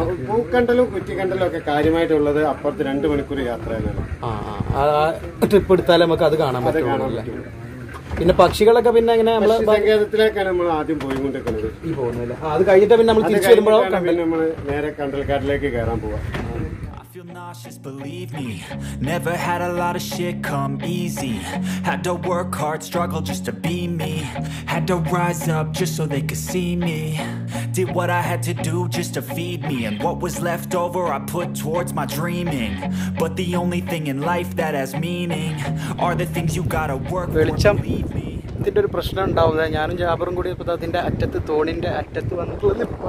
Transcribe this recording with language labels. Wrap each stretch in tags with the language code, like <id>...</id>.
<ml>പൂക്കണ്ടലും കുറ്റിക്കണ്ടലും ഒക്കെ കാര്യമായിട്ടുള്ളത് അപ്പുറത്ത് 2 മണിക്കൂർ യാത്രയാണ്. ട്രിപ്പ് എടുത്താലേ നമുക്ക് അത് കാണാൻ പറ്റും. പിന്നെ പക്ഷികളൊക്കെ പിന്നെ എങ്ങനെ നമ്മള് സങ്കേതത്തിലേക്കാണ് നമ്മൾ ആദ്യം പോയിക്കൊണ്ടിരിക്കുന്നത്. ഈ പോകുന്നില്ല, അത് കഴിഞ്ഞിട്ട് പിന്നെ നമ്മൾ തിരിച്ചു വരുമ്പോഴോ പിന്നെ നമ്മള് നേരെ കണ്ടൽക്കാട്ടിലേക്ക് കയറാൻ പോവാം.</ml> <en>Nauseous, believe me, never had a lot of shit come easy. Had to work hard, struggle just to be me. Had to rise up just so they could see me. Did what I had to do just to feed me, and what was left over I put towards my dreaming. But the only thing in life that has meaning are the things you gotta work for, believe me.</en> <ml>ഇതിന്റെ ഒരു പ്രശ്നം ഉണ്ടാവുന്നത് ഞാനും ജാബറും കൂടി ഇപ്പൊ അതിന്റെ അറ്റത്ത് തോണിന്റെ അറ്റത്ത് വന്നിട്ടുള്ളത്.</ml>